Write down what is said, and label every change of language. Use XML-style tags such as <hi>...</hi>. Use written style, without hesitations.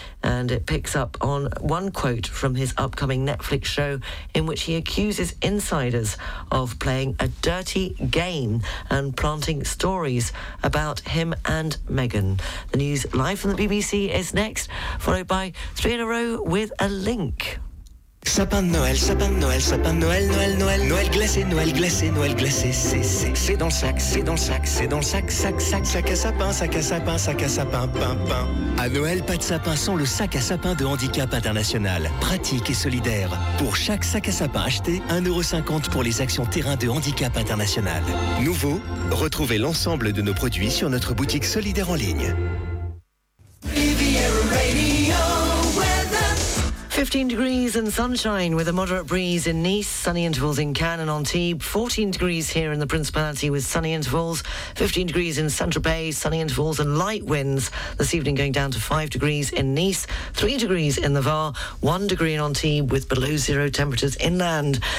<en>And it picks up on one quote from his upcoming Netflix show in which he accuses insiders of playing a dirty game and planting stories about him and Meghan. The news live from the BBC is next, followed by Three in a Row with a Link.</en> <fr>Sapin de Noël, sapin de Noël, sapin de Noël, Noël, Noël, Noël glacé, Noël glacé, Noël glacé, c'est dans le sac, c'est dans le sac, c'est dans le sac, sac, sac, sac à sapin, sac à sapin, sac à sapin, pain, pain. À Noël, pas de sapin sans le sac à sapin de Handicap International, pratique et solidaire. Pour chaque sac à sapin acheté, 1,50€ pour les actions terrain de Handicap International. Nouveau, retrouvez l'ensemble de nos produits sur notre boutique solidaire en ligne.</fr> <en>15 degrees and sunshine with a moderate breeze in Nice, sunny intervals in Cannes and Antibes, 14 degrees here in the Principality with sunny intervals, 15 degrees in Saint-Tropez, sunny intervals and light winds, this evening going down to 5 degrees in Nice, 3 degrees in the Var, 1 degree in Antibes with below zero temperatures inland.</en>